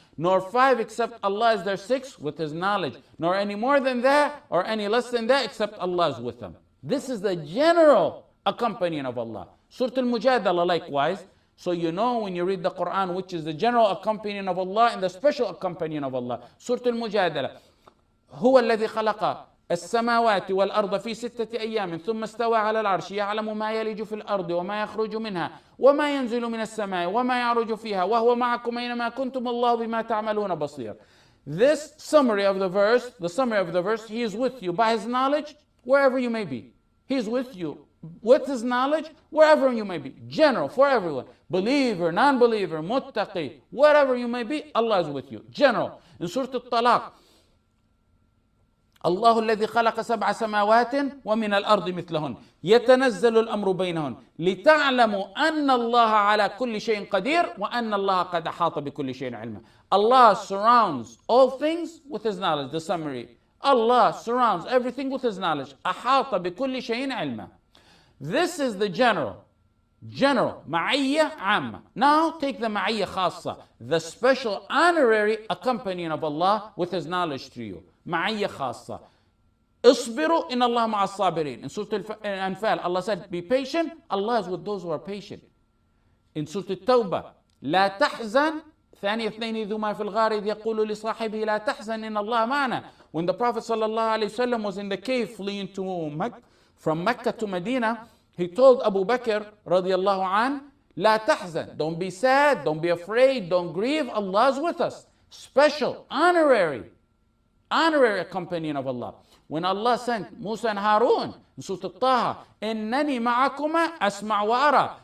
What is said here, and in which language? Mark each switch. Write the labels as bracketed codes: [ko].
[en] Nor five except Allah is their sixth with his knowledge. Nor any more than that or any less than that except Allah is with them. This is the general accompanying of Allah. Surah Al-Mujadala likewise. So you know when you read the Quran which is the general accompanying of Allah and the special accompanying of Allah. Surah Al-Mujadala. [ar] هو الذي خلق السماوات والأرض في ستة أيام ثم استوى على العرش يعلم ما يلج في الأرض وما يخرج منها وما ينزل من السماء وما يعرج فيها وهو معكم أينما كنتم الله بما تعملون بصير. [en] This summary of the verse, he is with you by his knowledge wherever you may be. He is with you with his knowledge wherever you may be. General for everyone. Believer, non-believer, muttaqi, wherever you may be, Allah is with you. General. In Surah Al-Talaq, [ar] الله الذي خلق سبع سماوات ومن الأرض مثلهن يتنزل الأمر بينهن لتعلموا أن الله على كل شيء قدير وأن الله قد أحاط بكل شيء علما. [en] Allah surrounds all things with his knowledge. The summary. Allah surrounds everything with his knowledge. [ar] أحاط بكل شيء علما. [en] This is the general. General. [ar] معية عامة. [en] Now take the معية خاصة. The special honorary accompanying of Allah with his knowledge to you. [ar] معية خاصة. اصبروا إن الله مع الصابرين. [en] In Surah Al-Anfal, Allah said, be patient. Allah is with those who are patient. In Surah [ar] التوبة, لا تحزن. ثاني اثنين ذوما في الغار إذ يقول لصاحبه لا تحزن إن الله معنا. [en] When the Prophet صلى الله عليه وسلم was in the cave fleeing to Mecca, from Mecca to Medina, he told Abu Bakr رضي الله عنه, [ar] لا تحزن. [en] Don't be sad. Don't be afraid. Don't grieve. Allah is with us. Special. Honorary. Honorary accompanying of Allah. When Allah sent Musa and Harun in Surah Al-Taha, [ar] إِنَّنِي مَعَكُمَا أَسْمَعُ وَأَرَى.